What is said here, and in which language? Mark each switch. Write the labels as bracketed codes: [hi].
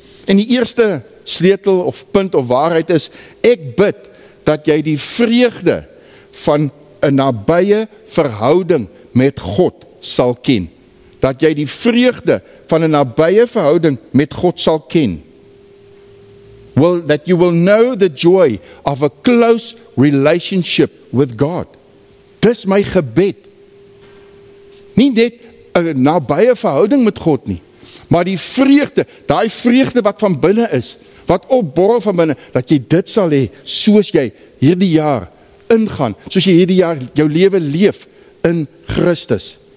[af] En die eerste sleutel of punt of waarheid is, ek bid dat jy die vreugde van 'n nabye verhouding met God sal ken. Dat jy die vreugde van 'n nabye verhouding met God sal ken. [en] Well, that you will know the joy of a close relationship with God. [af] Dis my gebed. Nie net 'n nabye verhouding met God nie, maar die vreugde, daai vreugde wat van binne is, wat opborrel van binne, dat jy dit sal hê soos jy hierdie jaar ingaan, soos jy hierdie jaar jou lewe leef in Christus.